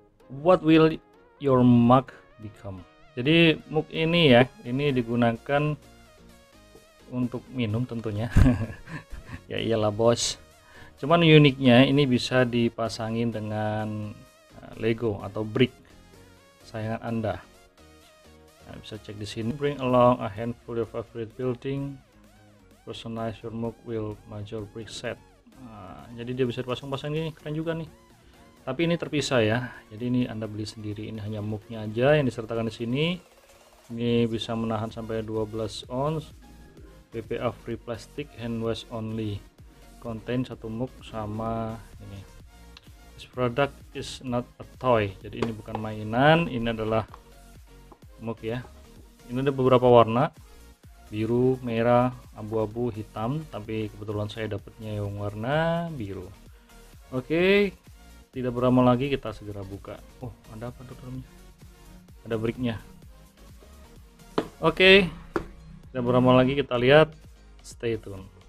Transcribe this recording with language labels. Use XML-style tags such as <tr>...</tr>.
<en>What will your mug become?</en> <id>Jadi mug ini ya, ini digunakan untuk minum tentunya. Ya iyalah bos. Cuman uniknya ini bisa dipasangin dengan Lego atau brick sayangan Anda. Nah, bisa cek di sini.</id> <en>Bring along a handful of favorite building. Personalize your mug with major brick set.</en> <id>Jadi dia bisa dipasang-pasang ini, keren juga nih. Tapi ini terpisah ya. Jadi ini Anda beli sendiri. Ini hanya mugnya aja yang disertakan di sini. Ini bisa menahan sampai 12 ounce.</id> <en>BPA free plastic, hand wash only. Contain</en> <id>satu mug sama ini.</id> <en>This product is not a toy.</en> <id>Jadi ini bukan mainan. Ini adalah mug ya. Ini ada beberapa warna, biru, merah, abu-abu, hitam, tapi kebetulan saya dapatnya yang warna biru. Oke, tidak berlama lagi kita segera buka. Oh, ada apa tuh dalamnya? Ada bricknya. Oke, tidak berlama lagi kita lihat.</id> <en>Stay tune.</en>